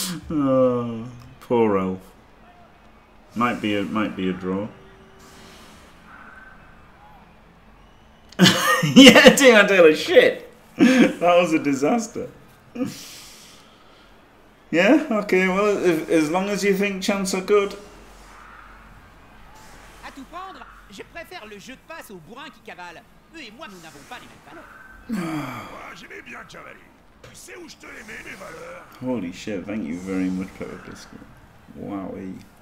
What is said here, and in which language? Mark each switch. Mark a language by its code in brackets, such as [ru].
[en] Oh, poor elf. Might be a draw. Yeah, Deion Taylor, shit! That was a disaster. Yeah, okay, well, if, as long as you think chance are good. [fr] A tout prendre, je préfère le jeu de passe au bourrin qui cavale. Eux et moi, nous n'avons pas les mêmes valeurs. J'aimais bien cavaler. Tu sais où je te l'aimais, mes valeurs. [en] Holy shit, thank you very much, Pepper Biscuit. Wowie.